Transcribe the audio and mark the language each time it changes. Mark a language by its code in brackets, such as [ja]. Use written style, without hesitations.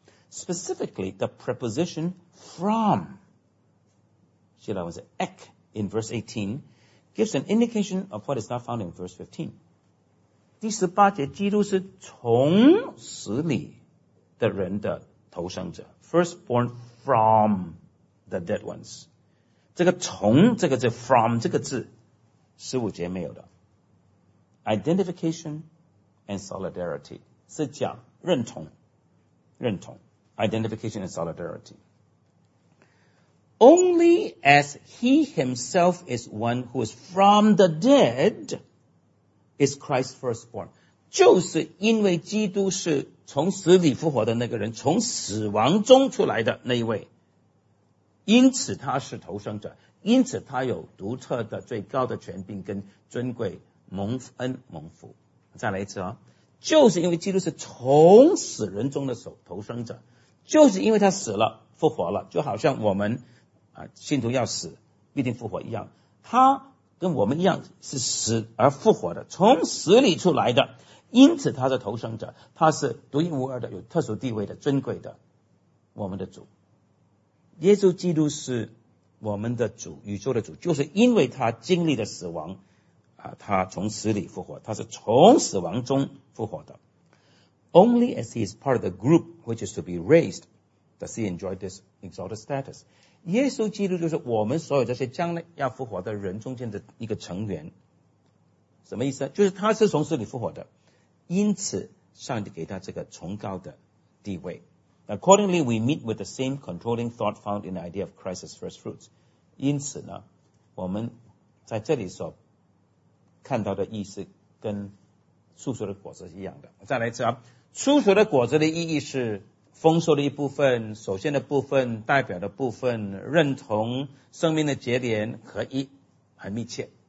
[en] Specifically, the preposition from, [zh] 希腊文是 [en] ek in verse 18, gives an indication of what is not found in verse 15. [zh] 第十八节基督是从死里的人的投生者， [en] firstborn from the dead ones. [zh] 这个从这个字 from 这个字十五节没有的。 [en] Identification and solidarity [zh] 是讲认同，认同。 [en] Identification and solidarity. Only as he himself is one who is from the dead is Christ firstborn. [zh] 就是因为基督是从死里复活的那个人，从死亡中出来的那一位，因此他是头生者，因此他有独特的最高的权柄跟尊贵，蒙恩蒙福。再来一次啊，就是因为基督是从死人中的头生者，就是因为他死了复活了，就好像我们信徒要死必定复活一样，他跟我们一样是死而复活的，从死里出来的，因此他是投生者，他是独一无二的，有特殊地位的，尊贵的，我们的主。耶稣基督是我们的主，宇宙的主，就是因为他经历了死亡他从死里复活，他是从死亡中复活的。 [en] Only as he is part of the group which is to be raised does he enjoy this exalted status. [zh] 耶稣基督就是我们所有这些将来要复活的人中间的一个成员。什么意思？就是他是从死里复活的，因此上帝给他这个崇高的地位。 [en] Accordingly, we meet with the same controlling thought found in the idea of Christ as first fruits. [zh] 因此呢，我们在这里所看到的意思跟初熟的果子是一样的。再来一次啊，初熟的果子的意义是丰收的一部分，首先的部分，代表的部分，认同，生命的结连，合一，很密切。